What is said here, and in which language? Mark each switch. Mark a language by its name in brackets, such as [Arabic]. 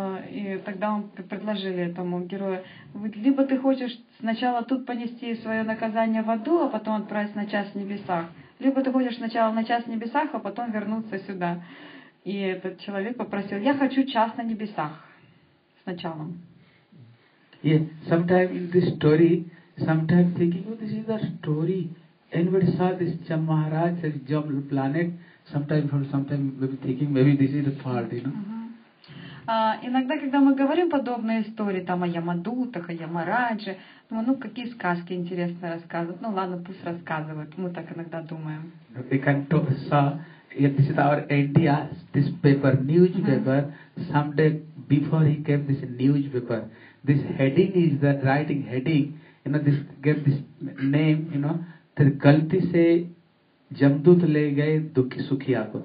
[Russian] И тогда он предложили этому герою, либо ты хочешь сначала тут понести свое наказание в аду, а потом отправиться на час в небесах, либо ты хочешь сначала на час в небесах, а потом вернуться сюда. И этот человек попросил, я хочу час на небесах сначала. [English] Yeah, sometimes in this story, sometimes thinking, oh, this is a story. Anybody saw this Chamaharaj, this jungle planet, sometimes maybe thinking, maybe this is the fault, you know. [Russian] Иногда, когда мы говорим подобные истории, там о Ямадутах, о Ямарадже, ну какие сказки интересные рассказывают. Ну ладно, пусть рассказывают, мы так иногда думаем. [English] They can talk, yeah, this is our India, this paper, newspaper, mm-hmm. someday before he came this newspaper, this heading is the writing heading, you know, this gave this name, you know, [Hindi] Thir galti se jamdut le gaye dukhi sukhi aako.